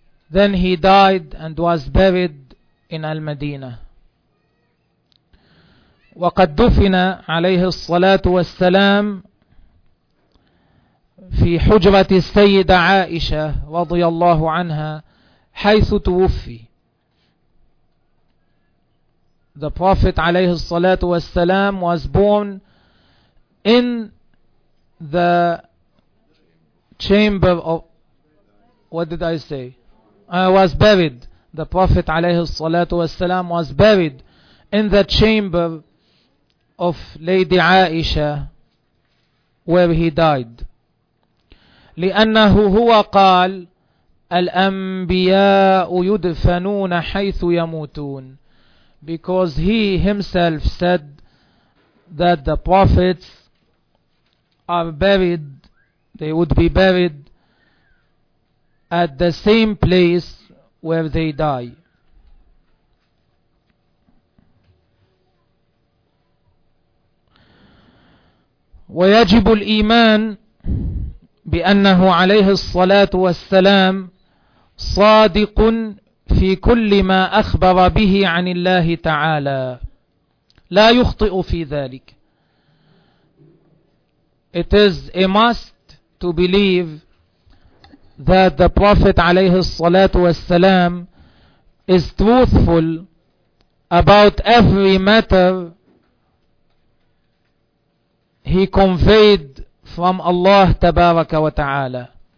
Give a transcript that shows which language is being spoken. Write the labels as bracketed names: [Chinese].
[English] Then he died and was buried in Al-Madina. [Arabic] وقد دفن عليه الصلاة والسلام في حجرة السيدة عائشة رضي الله عنها حيث توفي. [English] The Prophet عليه الصلاة والسلام was born in the chamber of, what did I say? Was buried. The Prophet عليه الصلاة والسلام was buried in the chamber of Lady Aisha where he died. [Arabic] لأنه هو قال الأنبياء يدفنون حيث يموتون. [English] Because he himself said that the prophets are buried, they would be buried at the same place where they die. [Arabic] ويجب الإيمان بأنه عليه الصلاة والسلام صادق في كل ما أخبر به عن الله تعالى، لا يخطئ في ذلك. [English] It is a must to believe that the Prophet عليه الصلاة والسلام is truthful about every matter he conveyed from Allah tabaraka wa ta'ala.